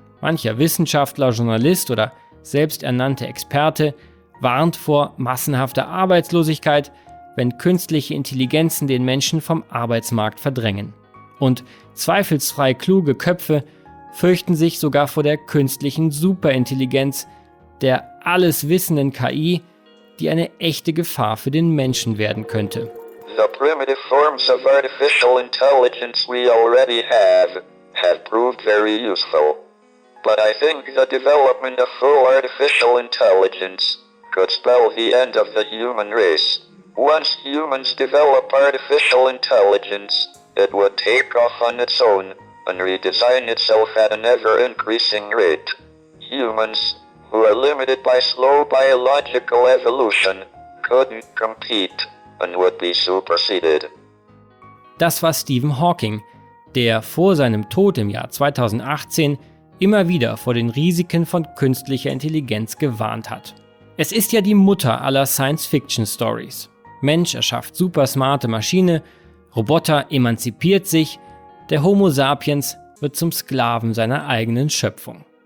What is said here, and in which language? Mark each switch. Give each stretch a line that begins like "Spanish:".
German: Mancher Wissenschaftler, Journalist oder selbsternannte Experte warnt vor massenhafter Arbeitslosigkeit, wenn künstliche Intelligenzen den Menschen vom Arbeitsmarkt verdrängen. Und zweifelsfrei kluge Köpfe fürchten sich sogar vor der künstlichen Superintelligenz, der alleswissenden KI, die eine echte Gefahr für den Menschen werden könnte.
English: The primitive forms of artificial intelligence we already have proved very useful. But I think the development of full artificial intelligence could spell the end of the human race. Once humans develop artificial intelligence, it would take off on its own and redesign itself at an ever-increasing rate. Humans, who are limited by slow biological evolution, couldn't compete and would be superseded.
German: Das war Stephen Hawking, der vor seinem Tod im Jahr 2018 immer wieder vor den Risiken von künstlicher Intelligenz gewarnt hat. Es ist ja die Mutter aller Science-Fiction-Stories. Mensch erschafft supersmarte Maschine, Roboter emanzipiert sich, der Homo sapiens wird zum Sklaven seiner eigenen Schöpfung.